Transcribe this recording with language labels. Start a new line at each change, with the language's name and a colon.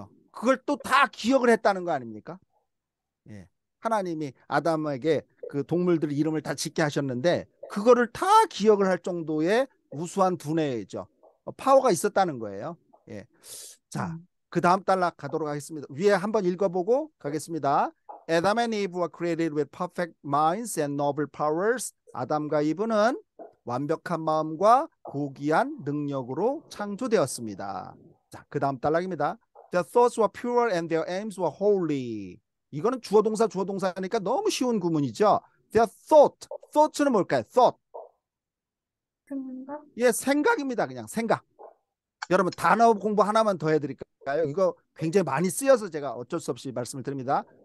Korean: 그걸 또다 기억을 했다는 거 아닙니까? 예. 하나님이 아담에게 그 동물들 이름을 다 짓게 하셨는데, 그거를 다 기억을 할 정도의 우수한 두뇌죠. 파워가 있었다는 거예요. 예. 자, 그 다음 단락 가도록 하겠습니다. 위에 한번 읽어보고 가겠습니다.
English: Adam and Eve were created with perfect minds and noble powers.
Korean: 아담과 이브는 완벽한 마음과 고귀한 능력으로 창조되었습니다. 자, 그 다음 단락입니다.
English: Their thoughts were pure and their aims were holy.
Korean: 이거는 주어동사, 주어동사니까 너무 쉬운 구문이죠.
English: Their thought, thought는
Korean: 뭘까요?
English: Thought.
Korean: 생각? 예, 생각입니다. 그냥 생각. 여러분, 단어 공부 하나만 더 해드릴까요? 이거 굉장히 많이 쓰여서 제가 어쩔 수 없이 말씀을 드립니다.